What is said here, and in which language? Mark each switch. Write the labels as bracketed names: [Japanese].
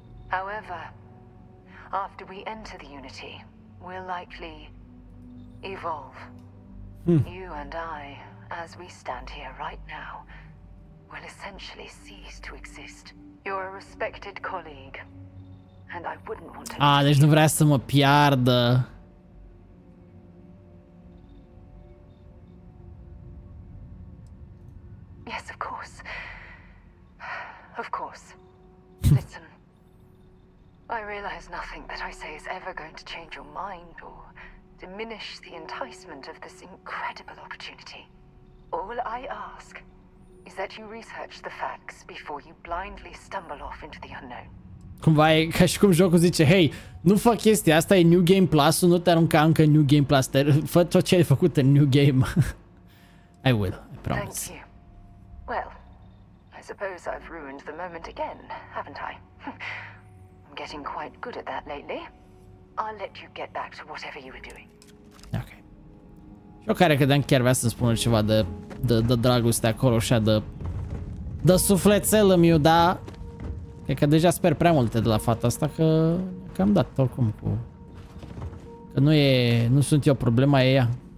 [English] However, after we enter the Unity, we'll likely evolve. You and I, as we stand here right now, will essentially cease to exist. You're a respected colleague, and I wouldn't want to. [Romanian] Ah, deci nu vrea să mă piardă. [English] Yes, of course. Of course. Listen. I realize nothing that I say is ever going to change your mind or diminish the enticement of this incredible opportunity. All I ask is that you research the facts before you blindly stumble off into the unknown. [Romanian] Cumva e ca și cum jocul zice, hei, nu fă chestia asta, e New Game Plus, nu te arunca încă New Game Plus, fă tot ce ai făcut în New Game. [English] I will, I promise. Thank you. Well, I suppose I've ruined the moment again, haven't I? I'm getting quite good at that lately. I'll let you get back to whatever you were doing. [Romanian] Eu care credeam că chiar vrea să-mi spună ceva de, de dragoste acolo, așa de, de sufletel îmi iuda. Cred că deja sper prea multe de la fata asta, că, că am dat oricum cu... Că nu e, nu sunt eu problema, e ea.